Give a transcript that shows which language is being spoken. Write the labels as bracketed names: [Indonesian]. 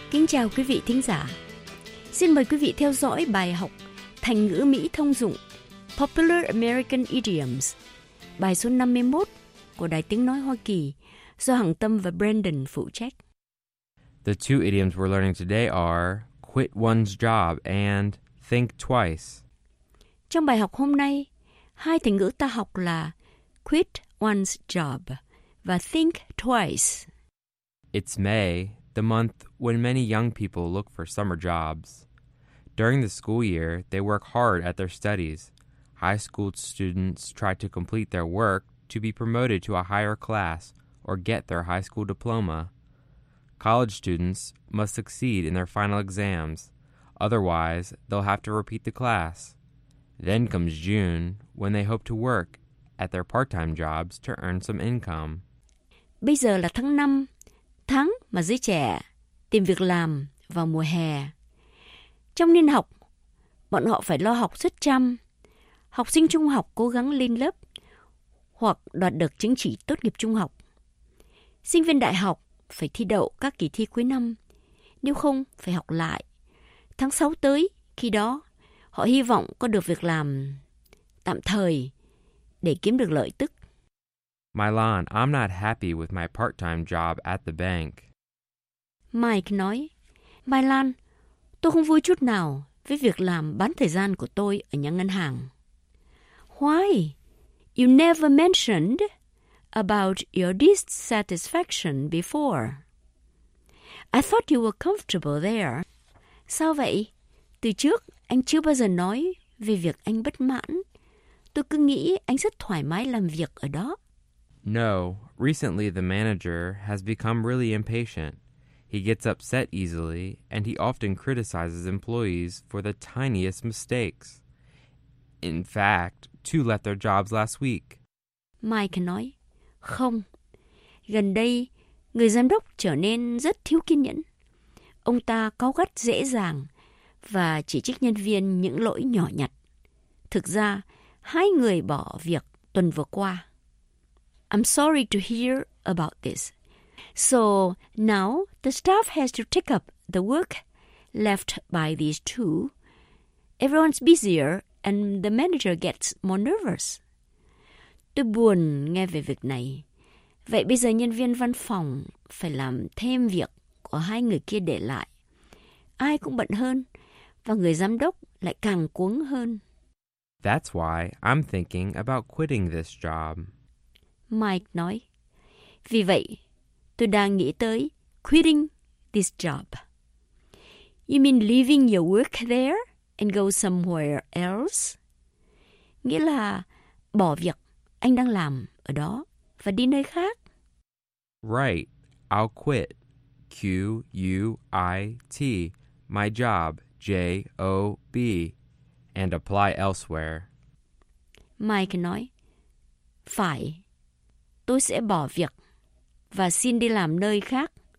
[Vietnamese] Chào quý vị thính giả. Xin mời quý vị theo dõi bài học thành ngữ Mỹ thông dụng [English] Popular American Idioms, [Vietnamese] bài số 51 của Đài Tiếng Nói Hoa Kỳ do Hằng Tâm và Brandon phụ trách. [English] The two idioms we're learning today are quit one's job and think twice. [Vietnamese] Trong bài học hôm nay, hai thành ngữ ta học là [English] quit one's job [Vietnamese] và [English] think twice. It's May, the month when many young people look for summer jobs. During the school year, they work hard at their studies. High school students try to complete their work to be promoted to a higher class or get their high school diploma. College students must succeed in their final exams. Otherwise, they'll have to repeat the class. Then comes June, when they hope to work at their part-time jobs to earn some income. [Vietnamese] Bây giờ là tháng 5. Tháng mà giới trẻ tìm việc làm vào mùa hè. Trong niên học, bọn họ phải lo học rất chăm. Học sinh trung học cố gắng lên lớp hoặc đoạt được chứng chỉ tốt nghiệp trung học. Sinh viên đại học phải thi đậu các kỳ thi cuối năm, nếu không phải học lại. Tháng 6 tới, khi đó, họ hy vọng có được việc làm tạm thời để kiếm được lợi tức. [English] Milan, I'm not happy with my part-time job at the bank. [Vietnamese] Mike nói, Milan, tôi không vui chút nào với việc làm bán thời gian của tôi ở nhà ngân hàng. [English] Why? You never mentioned about your dissatisfaction before. I thought you were comfortable there. [Vietnamese] Sao vậy? Từ trước, anh chưa bao giờ nói về việc anh bất mãn. Tôi cứ nghĩ anh rất thoải mái làm việc ở đó. [English] No, recently the manager has become really impatient. He gets upset easily, and he often criticizes employees for the tiniest mistakes. In fact, two left their jobs last week. [Vietnamese] Mike nói, không. Gần đây, người giám đốc trở nên rất thiếu kiên nhẫn. Ông ta cáu gắt dễ dàng và chỉ trích nhân viên những lỗi nhỏ nhặt. Thực ra, hai người bỏ việc tuần vừa qua. [English] I'm sorry to hear about this. So now the staff has to take up the work left by these two. Everyone's busier and the manager gets more nervous. [Vietnamese] Tôi buồn nghe về việc này. Vậy bây giờ nhân viên văn phòng phải làm thêm việc của hai người kia để lại. Ai cũng bận hơn và người giám đốc lại càng cuống hơn. [English] That's why I'm thinking about quitting this job. [Vietnamese] Mike nói, vì vậy, tôi đang nghĩ tới [English] quitting this job. You mean leaving your work there and go somewhere else? [Vietnamese] Nghĩa là bỏ việc anh đang làm ở đó và đi nơi khác. [English] Right, I'll quit. Q-U-I-T, my job, J-O-B, and apply elsewhere. [Vietnamese] Mike nói, phải. Tôi sẽ bỏ việc và xin đi làm nơi khác.